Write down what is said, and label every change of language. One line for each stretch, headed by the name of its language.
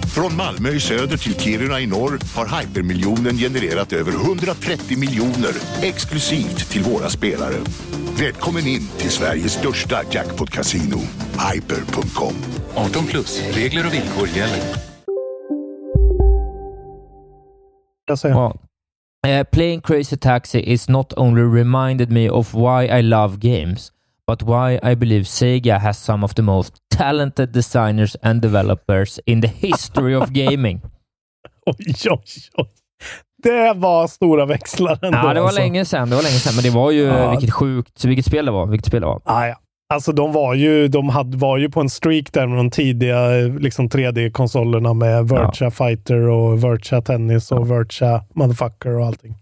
Swedish: Från Malmö i söder till Kiruna i norr har Hypermiljonen genererat över 130 miljoner exklusivt till våra spelare. Välkommen in till Sveriges största jackpot-casino, hyper.com. 18 plus, regler och villkor gäller. Jag säger.
English: Playing Crazy Taxi is not only reminded me of why I love games, but why I believe Sega has some of the most talented designers and developers in the history of gaming.
Swedish: Oj, oj, oj. Det var stora växlar ändå. Ja, det var länge sedan. Det var länge sedan, men det var ju vilket sjukt. Vilket spel det var. Vilket spel det var. Ah, ja. Alltså, de var ju på en streak där med de tidiga liksom 3D-konsolerna med Virtua Fighter och Virtua Tennis och Virtua Motherfucker och allting.